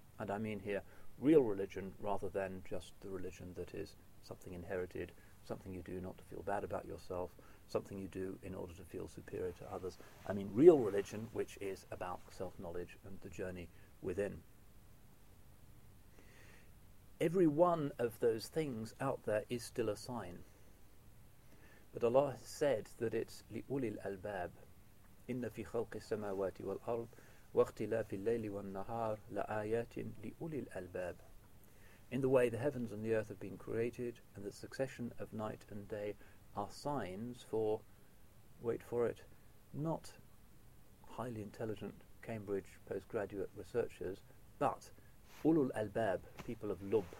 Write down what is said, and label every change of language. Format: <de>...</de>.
<en>And I mean here real religion rather than just the religion that is something inherited, something you do not to feel bad about yourself, something you do in order to feel superior to others. I mean real religion, which is about self-knowledge and the journey within. Every one of those things out there is still a sign. But Allah has said that it's</en> <ar>لِأُولِي الْأَلْبَابِ إِنَّ فِي خَلْقِ السَّمَاوَاتِ وَالْأَرْضِ وَاخْتِلَافِ اللَّيْلِ وَالنَّهَارِ لَآيَاتٍ لِأُولِي الْأَلْبَابِ.</ar> <en>In the way the heavens and the earth have been created, and the succession of night and day are signs for, wait for it, not highly intelligent Cambridge postgraduate researchers, but Ulul al-Bab, people of Lub.</en>